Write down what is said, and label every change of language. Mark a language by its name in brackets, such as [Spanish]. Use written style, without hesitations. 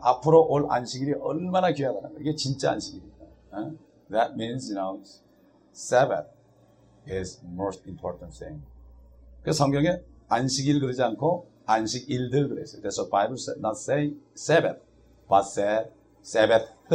[Korean] 앞으로 올 안식일이 얼마나 귀하다는 거. 이게 진짜 안식일입니다. [English] That means you know Sabbath is most important thing. [Korean] 그 성경에 안식일 그러지 않고 안식일들 그랬어요. [English] That's why Bible said not say Sabbath, but said Sabbath.